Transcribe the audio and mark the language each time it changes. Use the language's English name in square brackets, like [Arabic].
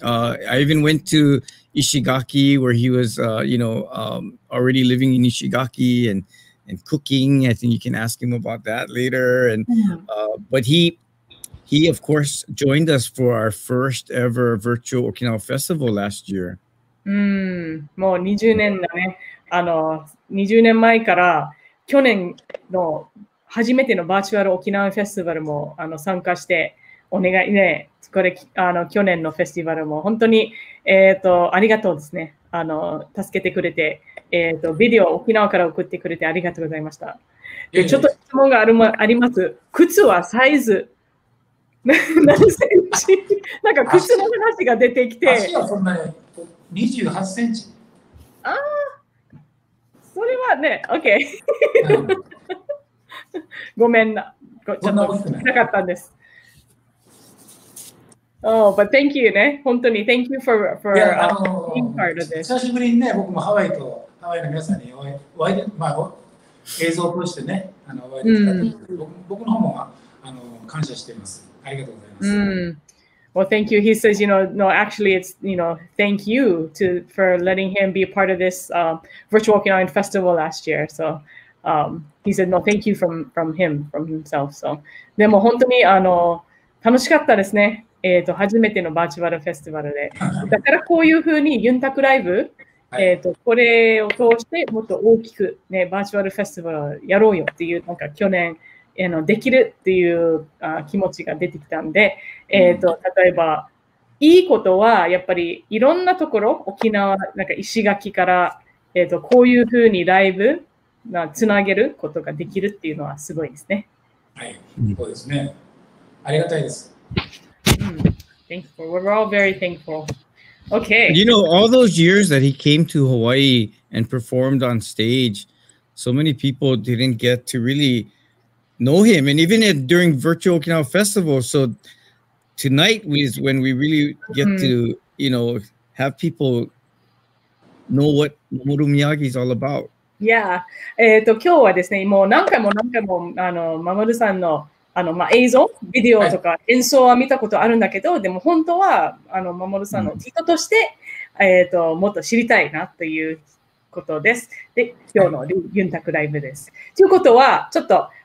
[English] I even went to Ishigaki where he was, already living in Ishigaki and cooking. I think you can ask him about that later. And, but he of course joined us for our first ever virtual Okinawa Festival last year. [Japanese] もう20年だね。あの、20年前から去年の初めてのバーチャル沖縄フェスティバルもあの参加してお願いね。これあの去年のフェスティバルも本当にありがとうですね。あの助けてくれてビデオを沖縄から送ってくれてありがとうございました。でちょっと質問があるもあります。靴はサイズ何センチ？なんか靴の話が出てきて。足はそんなに28センチ。ああ、それはね、OK。ごめんな。ちょっと聞きたかったんです。 [English] Oh, but thank you, ね。 [Japanese] 本当に、 [English] thank you for being part of this. [Japanese] 久しぶりにね、僕もハワイの皆さんにお会い、まあ、映像を通してね、あのお会いできたので、僕の方もあの感謝しています。ありがとうございます。 [English] Well, thank you. He says, you know, no, actually, it's, you know, thank you to for letting him be a part of this virtual Okinawan Festival last year. So he said, no, thank you from himself. [Japanese] So, でも本当にあの楽しかったですね。初めてのバーチャルフェスティバルで。だからこういうふうにユンタクライブ、これを通してもっと大きくね、バーチャルフェスティバルやろうよっていうなんか去年。できるっていう気持ちが出てきたんで、例えばいいことはやっぱりいろんなところ沖縄なんか石垣から、こういうふうにライブがつなげることができるっていうのはすごいですね。はい、そうですね。ありがたいです。 [English] Thankful. We're all very thankful. Okay. You know, all those years that he came to Hawaii and performed on stage, so many people didn't get to really. Know him, and even during virtual Okinawa Festival. So tonight is when we really get to, you know, have people know what Mamoru Miyagi is all about. Yeah. [Japanese] 今日はですね、もう何回も何回もあの Mamoru さんのあのまあ映像、ビデオとか演奏は見たことあるんだけど、でも本当はあの Mamoru さんの人として、もっと知りたいなということです。で、今日のユンタクライブです。ということはちょっと。